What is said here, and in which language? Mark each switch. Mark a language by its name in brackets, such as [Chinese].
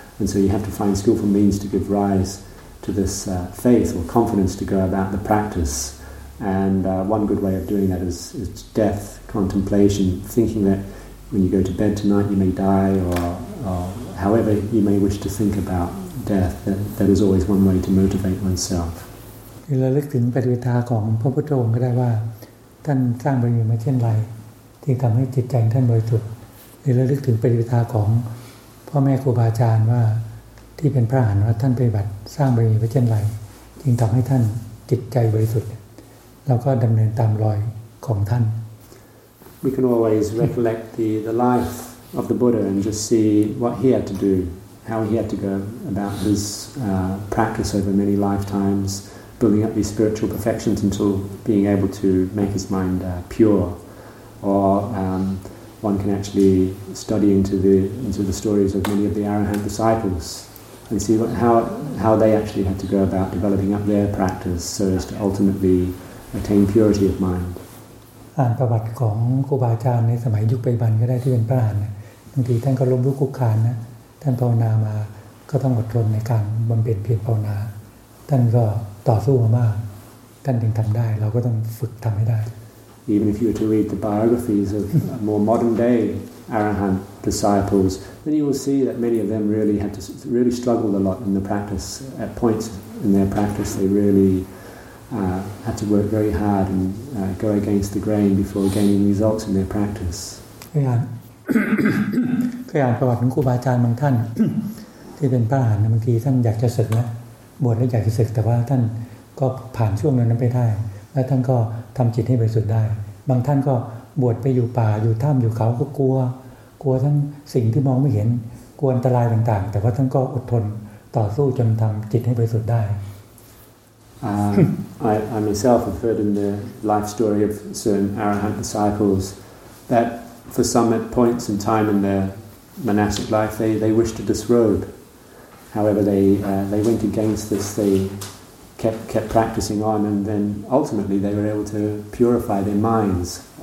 [English] And so you have to find skillful means to give rise to this faith or confidence to go about the practice. And one good way of doing that is death contemplation, thinking that when you go to bed tonight you may die or however you may wish to think about death. That is always one way to motivate oneself. We can think about the path of the Buddha, that he created this environment, [Thai] ที่ทำให้จิตใจท่านบริสุทธิ์หรือระลึกถึงปฏิปทาของพ่อแม่ครูบาอาจารย์ว่าที่เป็นพระอรหันต์ว่าท่านปฏิบัติสร้างบารมีไว้เช่นไรจึงทำให้ท่านจิตใจบริสุทธิ์เราก็ดำเนินตามรอยของท่าน [English] We can always recollect the life of the Buddha and just see what he had to do, how he had to go about his practice over many lifetimes, building up these spiritual perfections until being able to make his mind pure. Or one can actually study into the stories of many of the Arahant disciples and see how they actually had to go about developing up their practice so as to ultimately attain purity of mind. [Thai] ประวัติของครูบาอาจารย์ในสมัยยุคปัจจุบันก็ได้ที่เป็นพระอรหันต์บางทีท่านก็ล้มลุกคลุกคลานนะท่านภาวนามาก็ต้องอดทนในการบำเพ็ญเพียรภาวนาท่านก็ต่อสู้มามากท่านถึงทำได้เราก็ต้องฝึกทำให้ได้ [English] Even if you were to read the biographies of more modern-day Arahant disciples, then you will see that many of them really had to really struggled a lot in the practice. At points in their practice, they really had to work very hard and go against the grain before gaining results in their practice. [Thai] เคยอ่านประวัติของครูบาอาจารย์บางท่านที่เป็นพระอรหันต์บางทีท่านอยากจะศึกนะบวชแล้วอยากจะศึกแต่ว่าท่านก็ผ่านช่วงนั้นไปได้แล้วท่านก็ทำจิตให้บริสุทธิ์ได้บางท่านก็บวชไปอยู่ป่าอยู่ถ้ำอยู่เขาก็กลัวกลัวทั้งสิ่งที่มองไม่เห็นกลัวอันตรายต่างๆแต่ว่าท่านก็อดทนต่อสู้จนทำจิตให้บริสุทธิ์ได้ [English] I myself have heard in the life story of Arahant disciples that for some at points in time in their monastic life they wished to disrobe. However, they went against this. They kept practicing on, and then ultimately they were able to purify their minds.